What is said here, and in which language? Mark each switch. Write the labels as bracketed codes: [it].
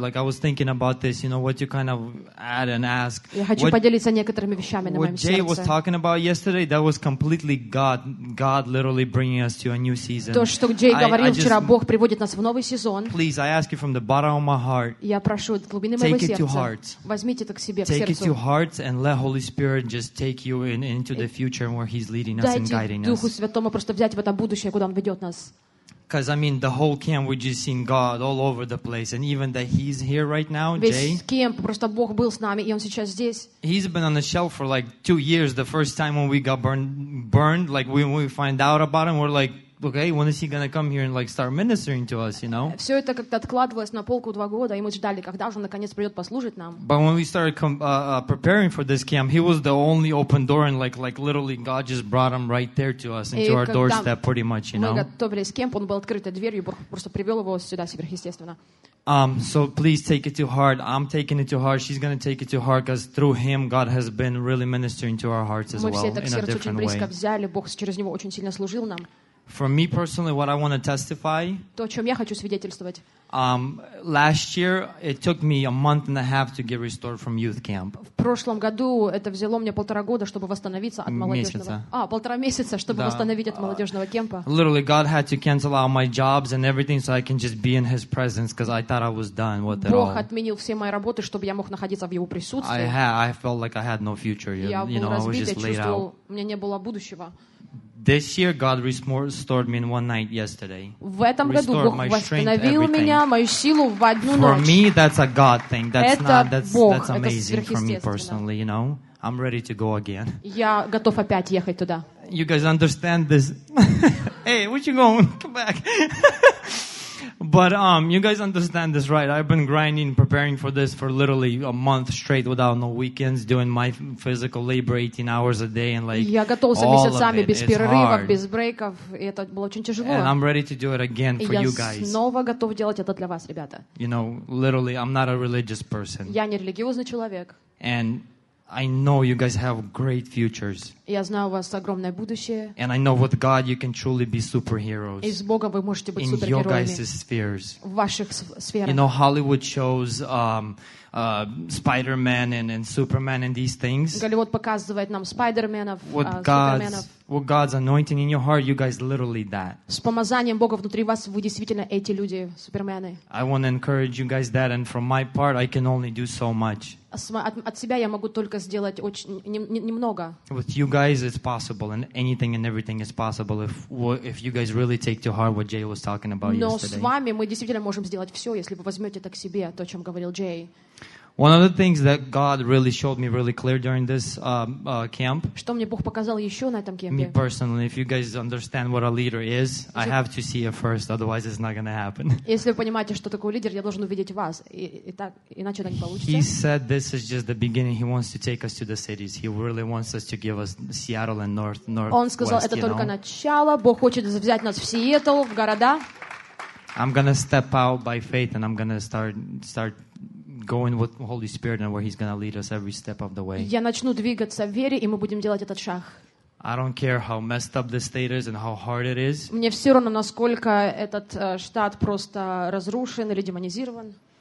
[en] Like, I was thinking about this, you know, what you kind of add and ask. [ru] Я хочу поделиться некоторыми вещами на моем сердце. [en] What Jay was talking about yesterday, that was completely God. God literally bringing us to a new season. [ru] То, что Джей говорил вчера, Бог приводит нас в новый сезон. [en] Please, I ask you from the bottom of my heart. [ru] Я прошу от глубины моего сердца. [en] Take it to heart. [ru] Возьмите это к себе, к сердцу. [en] Take it to heart and let Holy Spirit just take you into the future where He's leading us and guiding us. [ru] Дайте Духу Святому просто взять в это будущее, куда Он ведет нас. [en] Because I mean, the whole camp we just seen God all over the place, and even that He's here right now, Jay. [ru] Весь кемп просто Бог был с нами, и он сейчас здесь. [en] He's been on the shelf for like 2 years. The first time when we got burned, like when we find out about him, we're like, okay, when is he gonna come here and like start ministering to us, you know? [ru] Все это как-то откладывалось на полку 2 года, и мы ждали, когда же он наконец придет послужить нам. [en] But when we started preparing for this camp, he was the only open door, and like literally God just brought him right there to us, into our doorstep, pretty much, you know? [ru] Мы готовились к кемпу, он был открытой дверью, Бог просто привел его сюда, сверхъестественно. [en] So please take it to heart. I'm taking it to heart. She's gonna take it to heart because through him, God has been really ministering to our hearts as well in a different way. [ru] Мы все это к сердцу очень близко взяли. Бог через него очень сильно служил нам. [en] For me personally, what I want to testify. [ru] То, о чем я хочу свидетельствовать. [en] Last year, it took me a month and a half to get restored from youth camp. [ru] В прошлом году это взяло мне полтора года, чтобы восстановиться от молодежного. А полтора месяца, чтобы восстановить от молодежного кемпа. [en] Literally, God had to cancel out my jobs and everything so I can just be in His presence because I thought I was done with it all. [ru] Бог отменил все мои работы, чтобы я мог находиться в Его присутствии. [en] I felt like I had no future. [ru] Я был разбит, я чувствовал, у меня не было будущего. [en] This year God restored me in one night yesterday. [ru] В этом году Бог восстановил меня, мою силу в одну ночь. [en] For me, that's a God thing. That's amazing for me personally. You know, I'm ready to go again. [ru] Я готов опять ехать туда. [en] You guys understand this? Hey, where you going? Come back. But you guys understand this, right? I've been grinding, preparing for this for literally a month straight without no weekends, doing my physical labor 18 hours a day, and like [ru] я готовился [en] all [ru] месяцами [en] of it. [ru] Без перерывов, без брейков, и это было очень тяжело. [en] And I'm ready to do it again for [ru] я [en] you guys. [ru] Снова готов делать это для вас, ребята. [en] You know, literally, I'm not a religious person. [ru] Я не религиозный человек. [en] And I know you guys have great futures. [ru] Я знаю, у вас огромное будущее. [en] And I know with God you can truly be superheroes. [ru] И с Богом вы можете быть супергероями. [en] In your guys' spheres. [ru] В ваших сферах. [en] You know, Hollywood shows Spider-Man and Superman and these things. [ru] Голливуд показывает нам Спайдерменов, Суперменов. [en] With God's anointing in your heart, you guys literally that. [ru] С помазанием Бога внутри вас, вы действительно эти люди, супермены. [en] I want to encourage you guys that, and from my part, I can only do so much. [ru] От себя я могу только сделать очень немного. [en] With you guys, it's possible, and anything and everything is possible if you guys really take to heart what Jay was talking about [ru] Но [en] yesterday. [ru] Но с вами мы действительно можем сделать все, если вы возьмете это к себе, то, о чем говорил Джей. [en] One of the things that God really showed me really clear during this camp. [ru] Что мне Бог показал еще на этом кемпе? [en] Me personally, if you guys understand what a leader is, I have to see it first, otherwise it's not going to happen. [ru] Если вы понимаете, что такое лидер, я должен увидеть вас, и так иначе это не получится. [en] He said this is just the beginning. He wants to take us to the cities. He really wants us to give us Seattle and Northwest. [ru] Он сказал, это только начало. Бог хочет взять нас в Сиэтл, в города. [en] I'm going to step out by faith, and I'm going to start. Going with the Holy Spirit and where He's going to lead us every step of the way. [ru] Я начну двигаться в вере, и мы будем делать этот шаг. [en] I don't care how messed up the state is and how hard it is. [ru] Мне все равно, насколько этот штат просто разрушен или демонизирован.